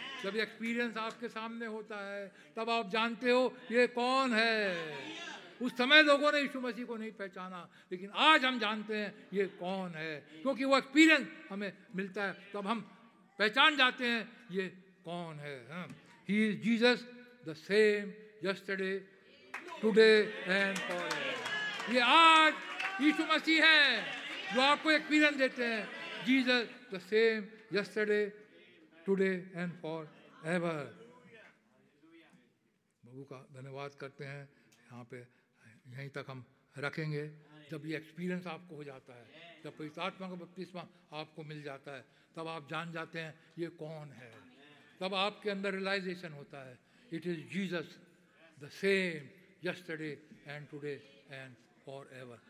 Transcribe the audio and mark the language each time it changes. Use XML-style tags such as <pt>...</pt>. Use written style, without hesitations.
<hi>जब एक्सपीरियंस आपके सामने होता है तब आप जानते हो ये कौन है. उस समय लोगों ने यीशु मसीह को नहीं पहचाना, लेकिन आज हम जानते हैं ये कौन है, क्योंकि वो एक्सपीरियंस हमें मिलता है, तब हम पहचान जाते हैं ये कौन है.</hi> <en>He is Jesus, the same yesterday, today and forever.</en> <hi>ये आज यीशु मसीह है जो आपको एक्सपीरियंस देते हैं.</hi> <en>Jesus, the same yesterday, today and forever.</en> <hi>प्रभु का धन्यवाद करते हैं. यहाँ पे यहीं तक हम रखेंगे. जब ये एक्सपीरियंस आपको हो जाता है, जब पवित्र आत्मा का बपतिस्मा आपको मिल जाता है, तब आप जान जाते हैं ये कौन है. तब आपके अंदर रियलाइजेशन होता है,</hi> <en>It is Jesus the same yesterday and today and for ever.</en>